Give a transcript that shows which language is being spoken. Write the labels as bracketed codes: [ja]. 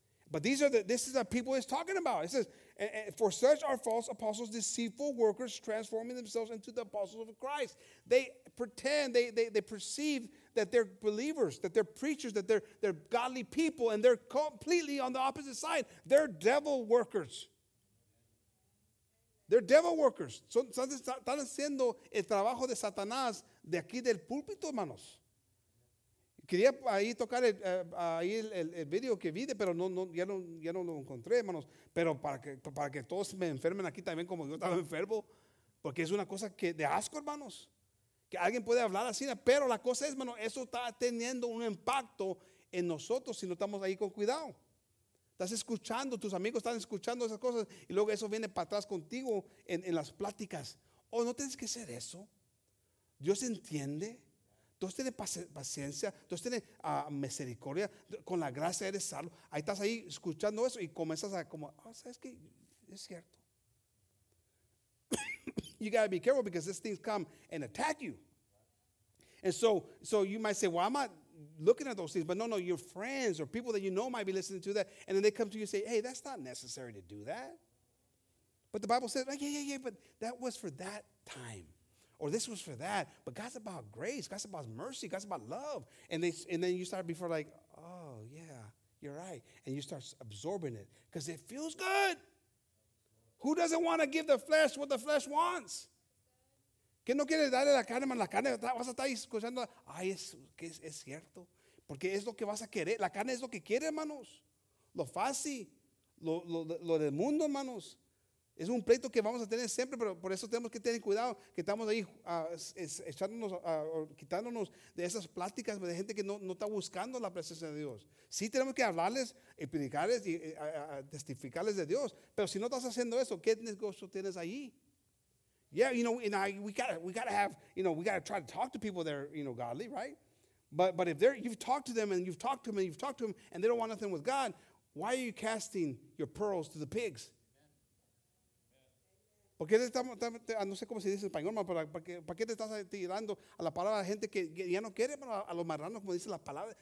[en] But this is the people he's talking about. It says, for such are false apostles, deceitful workers, transforming themselves into the apostles of Christ. They pretend, they perceive that they're believers, that they're preachers, that they're godly people, and they're completely on the opposite side. They're devil workers. They're devil workers. [es] Están haciendo el trabajo de Satanás de aquí del púlpito, hermanos. Quería ahí tocar el video que vi, pero ya no lo encontré, hermanos. Pero para que todos me enfermen aquí también como yo estaba enfermo. Porque es una cosa que de asco, hermanos. Que alguien puede hablar así. Pero la cosa es, hermano, eso está teniendo un impacto en nosotros si no estamos ahí con cuidado. Estás escuchando, tus amigos están escuchando esas cosas. Y luego eso viene para atrás contigo en las pláticas. Oh, no tienes que hacer eso. Dios entiende. Dios tiene paciencia, Dios tiene misericordia, con la gracia eres salvo. Ahí estás ahí escuchando eso y comienzas a como, oh, ¿sabes qué? Es cierto. [en] You got to be careful because these things come and attack you. And so you might say, well, I'm not looking at those things. But no, your friends or people that you know might be listening to that. And then they come to you and say, hey, that's not necessary to do that. But the Bible says, yeah, but that was for that time. Or this was for that, but God's about grace, God's about mercy, God's about love. And then you start before like, oh yeah, you're right. And you start absorbing it because it feels good. Who doesn't want to give the flesh what the flesh wants? [es] ¿Qué no quiere darle la carne, man? La carne vas a estar escuchando, ay, es cierto. Porque es lo que vas a querer. La carne es lo que quiere, hermanos. Lo fácil, lo del mundo, hermanos. Es un pleito que vamos a tener siempre, pero por eso tenemos que tener cuidado que estamos ahí echándonos, quitándonos de esas pláticas de gente que no está buscando la presencia de Dios. Sí tenemos que hablarles y predicarles y testificarles de Dios, pero si no estás haciendo eso, ¿qué negocio tienes ahí? [en] Yeah, you know, and we gotta try to talk to people that are, you know, godly, right? But if you've talked to them and you've talked to them and you've talked to them and they don't want nothing with God, why are you casting your pearls to the pigs? [es] ¿Por qué no sé cómo se dice en español, hermano, pero ¿para qué te estás tirando a la palabra de gente que ya no quiere, hermano, a los marranos, como dice la palabra?